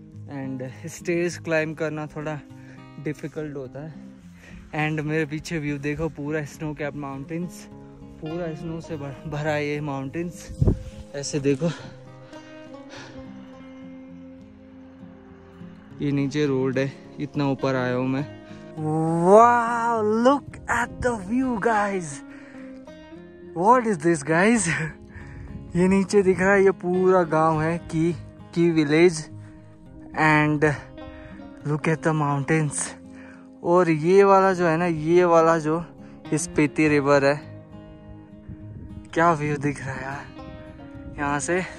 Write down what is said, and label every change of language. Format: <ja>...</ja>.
<hi>And stage climb करना थोड़ा difficult होता है. एंड मेरे पीछे व्यू देखो, पूरा स्नो कैप माउंटेन्स, पूरा स्नो से भरा ये माउंटेन्स. ऐसे देखो ये नीचे रोड है, इतना ऊपर आया हूँ मैं.</hi> <en>Wow, look at the view, guys. What is this, guys?</en> <hi>ये नीचे दिख रहा है, ये पूरा गांव है की village.</hi> <en>And look at the mountains.</en> <hi>और ये वाला जो है ना, ये वाला जो स्पीति रिवर है, क्या व्यू दिख रहा है यार यहाँ से.</hi>